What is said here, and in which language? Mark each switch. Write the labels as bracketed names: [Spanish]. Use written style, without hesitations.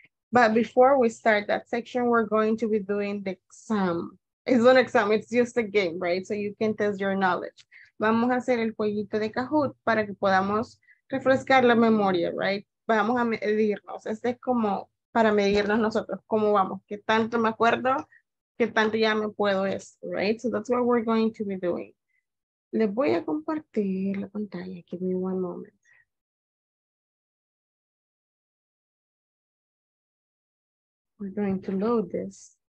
[English] But before we start that section, we're going to be doing the exam. It's not an exam, it's just a game, right? So you can test your knowledge. [Spanish] Vamos a hacer el jueguito de Kahoot para que podamos refrescar la memoria, right? Vamos a medirnos. Este es como para medirnos nosotros, cómo vamos, qué tanto me acuerdo, qué tanto ya me puedo es, right? [English] So that's what we're going to be doing. [Spanish] Les voy a compartir la pantalla. [English] Give me 1 moment. We're going to load this.